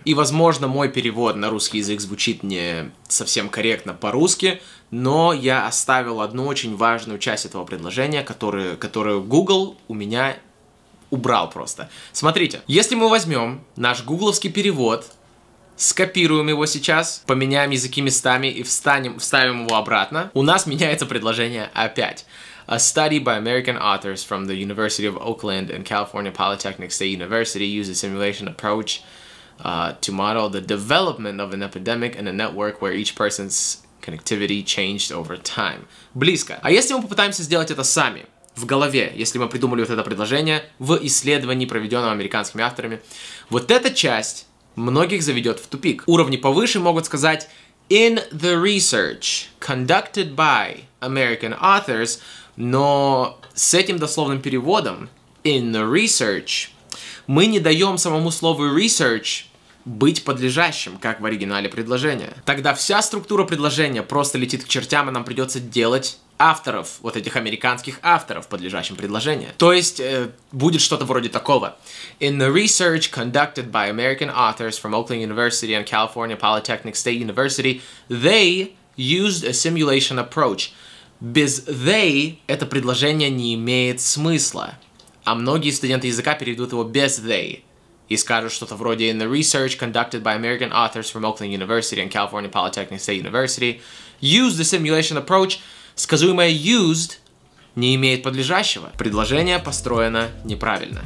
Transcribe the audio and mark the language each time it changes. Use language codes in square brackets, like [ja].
[ru] И, возможно, мой перевод на русский язык звучит не совсем корректно по-русски, но я оставил одну очень важную часть этого предложения, которую Google у меня убрал просто. Смотрите, если мы возьмем наш гугловский перевод, скопируем его сейчас, поменяем языки местами и вставим его обратно, у нас меняется предложение опять. [en] A study by American authors from the University of Oakland and California Polytechnic State University used a simulation approach to model the development of an epidemic in a network where each person's connectivity changed over time. [ru] Близко. А если мы попытаемся сделать это сами, в голове, если мы придумали вот это предложение в исследовании, проведенном американскими авторами, вот эта часть многих заведет в тупик. Уровни повыше могут сказать [en] «In the research conducted by American authors», [ru] но с этим дословным переводом [en] «in the research» [ru] мы не даем самому слову «research» быть подлежащим, как в оригинале предложения. Тогда вся структура предложения просто летит к чертям, и нам придется делать авторов, вот этих американских авторов, подлежащим предложения. То есть будет что-то вроде такого. [en] «In the research conducted by American authors from Oakland University and California Polytechnic State University, they used a simulation approach». [ru] Без they это предложение не имеет смысла. А многие студенты языка переведут его без they и скажут что-то вроде [en] in the research conducted by American authors from Oakland University and California Polytechnic State University used the simulation approach. [ru] Сказуемое used не имеет подлежащего. Предложение построено неправильно.